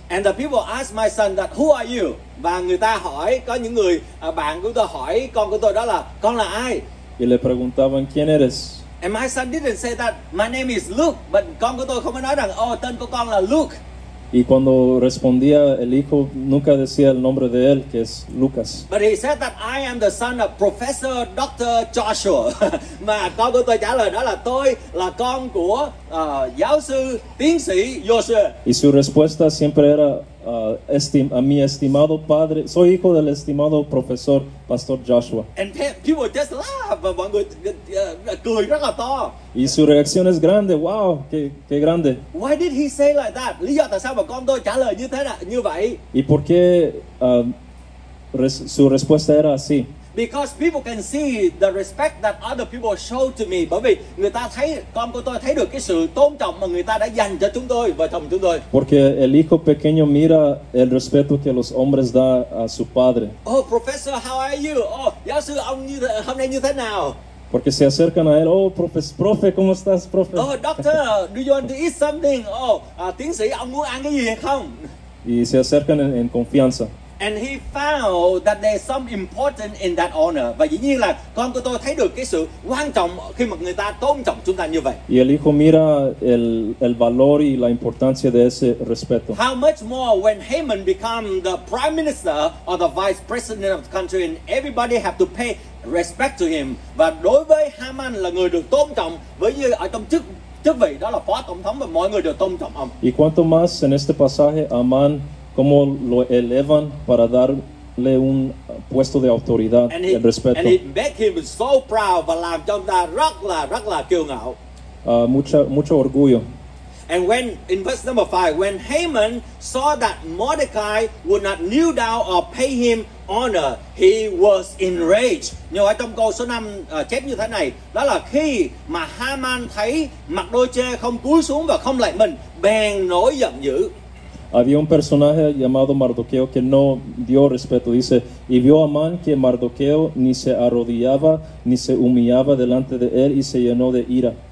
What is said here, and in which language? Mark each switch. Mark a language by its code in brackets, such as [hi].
[en] And the people ask my son that, who are you? [vi] Và người ta hỏi, có những người bạn của tôi hỏi con của tôi đó là, con là ai? [es] Y le preguntaban, ¿quién eres? [en] And my son didn't say that, my name is Luke. [vi] But con của tôi không có nói rằng, oh, tên của con là Luke. [es] Y cuando respondía el hijo, nunca decía el nombre de él, que es Lucas. [en] But he said that I am the son of Professor Dr. Joshua. [vi] Mà con của tôi trả lời đó là tôi là con của giáo sư tiến sĩ Joshua. [es] Y su respuesta siempre era, a mi estimado padre, soy hijo del estimado profesor Pastor Joshua. [en] And people just laugh, [vi] và mọi người cười rất là to. [es] Y su reacción es grande, wow, qué grande. [en] Why did he say like that? [vi] Lý do tại sao mà con tôi trả lời như thế là như vậy? [es] Y por qué su respuesta era así? [en] Because people can see the respect that other people show to me. [vi] Bởi vì người ta thấy, con của tôi thấy được cái sự tôn trọng mà người ta đã dành cho chúng tôi, vợ chồng chúng tôi. [es] Porque el hijo pequeño mira el respeto que los hombres da a su padre. [en] Oh, professor, how are you? [vi] Oh, giáo sư, ông như hôm nay như thế nào? [es] Porque se acercan a él. Oh, profe, ¿cómo estás, profe? [en] Oh, doctor, do you want to eat something? [vi] Oh, tiến sĩ, ông muốn ăn cái gì hay không? [es] Y se acercan en confianza. [en] And he found that there's some importance in that honor. [vi] Và dĩ nhiên là con của tôi thấy được cái sự quan trọng khi mà người ta tôn trọng chúng ta như vậy. [es] Y el hijo mira el valor y la importancia de ese respeto. [en] How much more when Haman become the prime minister or the vice president of the country and everybody have to pay respect to him. [vi] Và đối với Haman là người được tôn trọng với như ở trong chức vị đó là phó tổng thống và mọi người đều tôn trọng ông. [es] Y cuanto más en este pasaje Haman como lo elevan para darle un puesto de autoridad y respeto. [en] And he make him so proud [vi] và làm cho ta rất là kiêu ngạo. [es] Mucho orgullo. [en] And when in verse number 5, when Haman saw that Mordecai would not kneel down or pay him honor, he was enraged. [vi] Nhưng ở trong câu số 5 chép như thế này, đó là khi mà Haman thấy Mardochê không cúi xuống và không lạy mình, bèn nổi giận dữ. [es] Había un personaje llamado Mardoqueo que no dio respeto, dice, y vio a Amán que Mardoqueo ni se arrodillaba ni se humillaba delante de él y se llenó de ira.